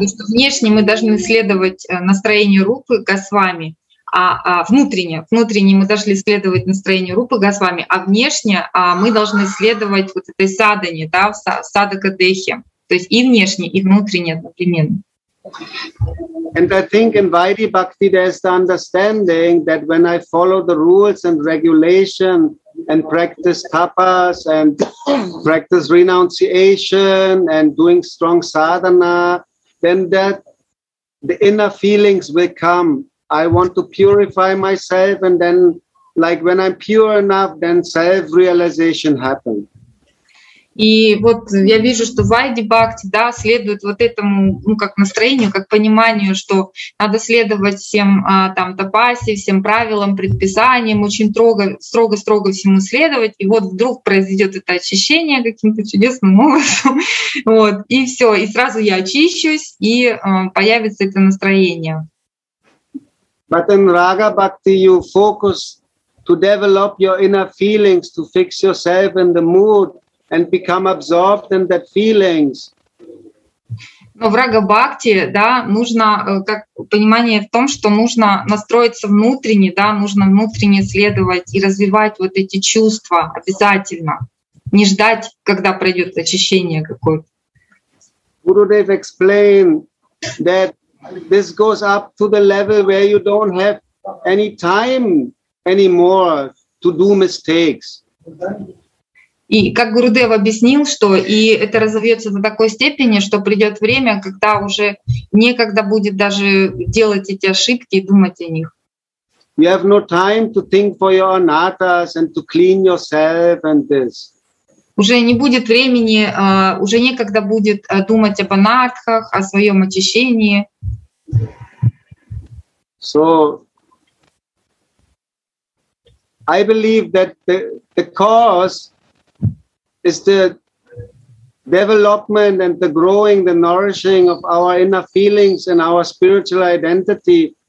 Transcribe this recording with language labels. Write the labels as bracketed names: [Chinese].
[Russian] Внешне мы должны следовать настроению Рупы Госвами, а внутренне мы должны следовать настроению Рупы Госвами, а внешне мы должны следовать вот этой садане, да, садака дехе. То есть и внешне, и внутренне одновременно. [English] And I think in Vairi Bhakti there's the understanding that when I follow the rules and regulation and practice tapas and practice renunciation and doing strong sadhana, then that the inner feelings will come. I want to purify myself, and then like when I'm pure enough, then self-realization happens. [Russian] И вот я вижу, что Вайди Бхакти, да, следует вот этому, ну, как настроению, как пониманию, что надо следовать всем там тапасе, всем правилам, предписаниям, очень строго всему следовать. И вот вдруг произойдет это очищение каким-то чудесным образом. Вот, и все, и сразу я очищусь, и появится это настроение. [English] But in Raga Bhakti you focus to develop your inner feelings, to fix yourself in the mood. And become absorbed in that feelings. [Russian] Но в рага-бхакти, да, нужно как понимание в том, что нужно настроиться внутренне, да, нужно внутренне следовать и развивать вот эти чувства обязательно, не ждать, когда пройдет очищение какое-то. [English] Gurudev explained that this goes up to the level where you don't have any time anymore to do mistakes. [Russian] И как Гурудев объяснил, что и это разовьется до такой степени, что придет время, когда уже некогда будет даже делать эти ошибки и думать о них. [English] You have no time to think for your anattas and to clean yourself and this. [Russian] Уже не будет времени, уже некогда будет думать об анатхах, о своем очищении. [English] So I believe that the cause is the development and the growing, the nourishing of our inner feelings and our spiritual identity.